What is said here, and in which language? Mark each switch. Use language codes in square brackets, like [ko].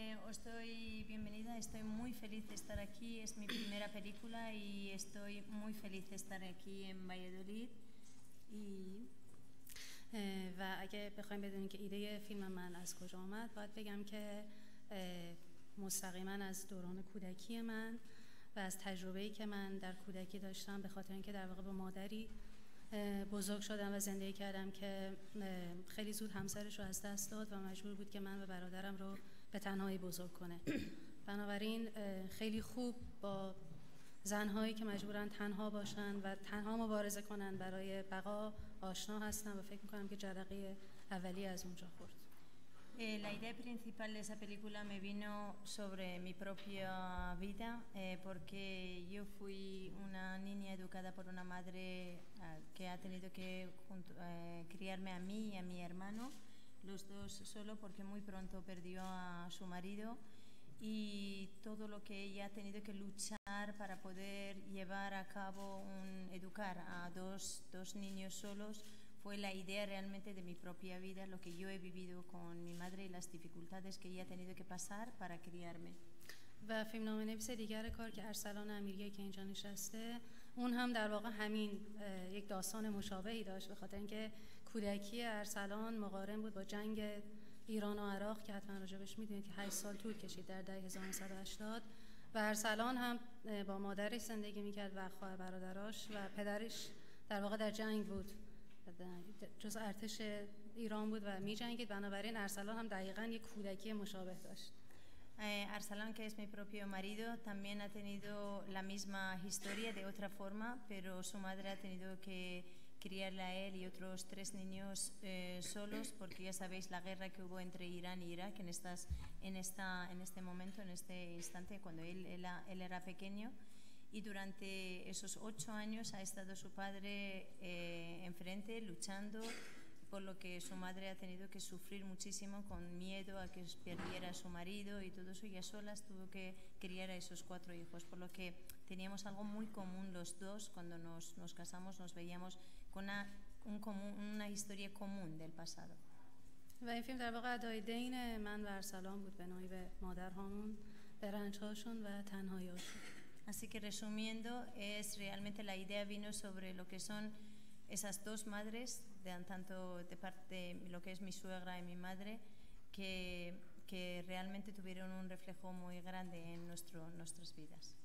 [es] Estoy bienvenida, estoy muy feliz de estar aquí. Es mi primera película y estoy muy feliz de estar aquí en Valladolid. Y [fa] و اگه بخوایم بدونیم که ایده فیلم من از کجا اومد، باید بگم که مستقیما از دوران کودکی من و از تجربه‌ای که من در کودکی داشتم، به خاطر اینکه در واقع با مادری بزرگ شدم و زندگی کردم که خیلی زود همسرش رو از دست داد و مجبور بود که من و برادرم رو به تنهایی بزرگ کنه. بنابراین خیلی خوب با زنهایی که مجبورن تنها باشن و تنها مبارزه کنن برای بقا آشنا هستم و فکر میکنم که جرقه اولی از اونجا خورد. [es] La idea principal de esa película me vino sobre mi propia vida, porque yo fui una niña educada por una madre que ha tenido que criarme a mí y a mi hermano, los dos solo, porque muy pronto perdió a su marido, y todo lo que ella ha tenido que luchar para poder llevar a cabo educar a dos niños solos. Fue la idea realmente de mi propia vida, lo que yo he vivido con mi madre y las dificultades que ella ha tenido que pasar para criarme. [fa] و فیلم نامه نویس دیگر کار که ارسلان امیری که اینجا نشسته، اون هم در واقع همین یک داستان مشابهی داشت، به خاطر اینکه کودکی ارسلان مقارن بود با جنگ ایران و عراق که حتما راجبش میدونید که 8 سال طول کشید در دهه 1980، و ارسلان هم با مادرش زندگی میکرد و خواهر برادراش، و پدرش در واقع در جنگ بود، جز ارتش ایران بود و می جنگید. بنابراین ارسلان هم دقیقاً یک کودکی مشابه داشت. [es] Arsalan, que es mi propio marido, también ha tenido la misma historia de otra forma, pero su madre ha tenido que criarle a él y otros tres niños solos, porque ya sabéis la guerra que hubo entre Irán y Irak en este instante, cuando él era pequeño. Y durante esos 8 años ha estado su padre enfrente, luchando, por lo que su madre ha tenido que sufrir muchísimo, con miedo a que perdiera a su marido y todo eso. Ya solas tuvo que criar a esos 4 hijos, por lo que teníamos algo muy común los dos cuando nos casamos, nos veíamos con una historia común del pasado. [fa] و این فیلم در واقع ادای دین من و ارسلان بود به نوعی به مادرهامون، به رنجهاشون و تنهاییاشون. [es] Así que resumiendo, es realmente la idea vino sobre lo que son esas dos madres, tanto de parte de lo que es mi suegra y mi madre, que realmente tuvieron un reflejo muy grande en nuestras vidas.